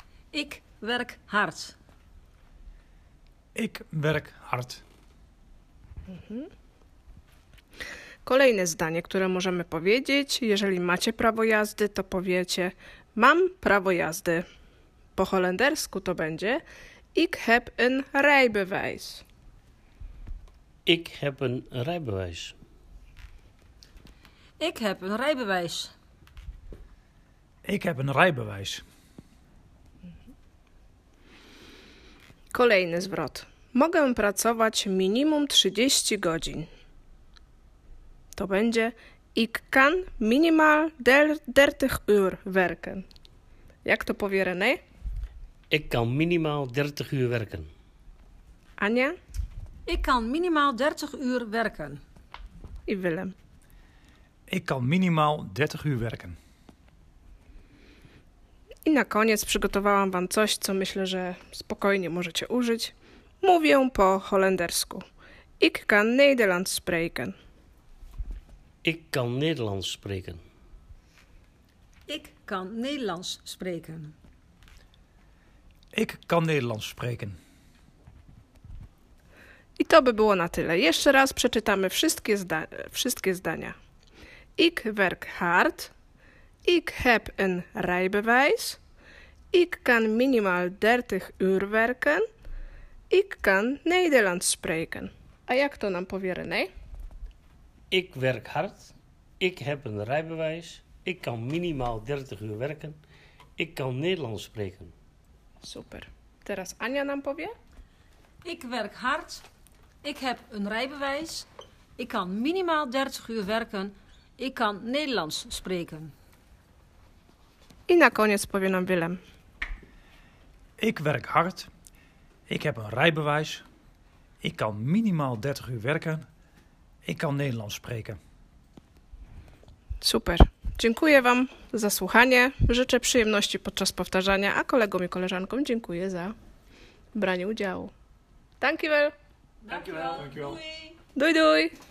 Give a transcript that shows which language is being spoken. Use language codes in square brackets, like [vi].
[nl] Ik werk hard. Ik werk hard. [pl] Kolejne zdanie, które możemy powiedzieć, jeżeli macie prawo jazdy, to powiecie, mam prawo jazdy. Po holendersku to będzie [nl] Ik heb een rijbewijs. Ik heb een rijbewijs. Ik heb een rijbewijs. Ik heb een rijbewijs. [pl] Kolejny zwrot. Mogę pracować minimum 30 godzin. To będzie [nl] Ik kan minimal 30 uur werken. [pl] Jak to powie René? [nl] Ik kan minimaal 30 uur werken. [pl] Anja? [nl] Ik kan minimaal 30 uur werken. En Willem? Ik kan minimaal 30 uur werken. [pl] I na koniec przygotowałam wam coś, co myślę, że spokojnie możecie użyć. Mówię po holendersku. [nl] Ik kan Nederlands spreken. Ik kan Nederlands spreken. Ik kan Nederlands spreken. Ik kan Nederlands spreken. [pl] I to by było na tyle. Jeszcze raz przeczytamy wszystkie zdania. [nl] Ik werk hard. Ik heb een rijbewijs. Ik kan minimal 30 uur werken. Ik kan Nederlands spreken. [pl] A jak to nam powie René? [nl] Ik werk hard. Ik heb een rijbewijs. Ik kan minimal 30 uur werken. Ik kan Nederlands spreken. [pl] Super. Teraz Ania nam powie. [nl] Ik werk hard. Ik heb een rijbewijs. Ik kan minimaal 30 uur werken. Ik kan Nederlands spreken. [pl] I na koniec powie nam Willem. [nl] Ik werk hard. Ik heb een rijbewijs. Ik kan minimaal 30 uur werken. Ik kan Nederlands spreken. [pl] Super. Dziękuję wam za słuchanie. Życzę przyjemności podczas powtarzania, a kolegom i koleżankom dziękuję za branie udziału. [en] Thank you well. Thank you well. Thank you well. Duj, duj.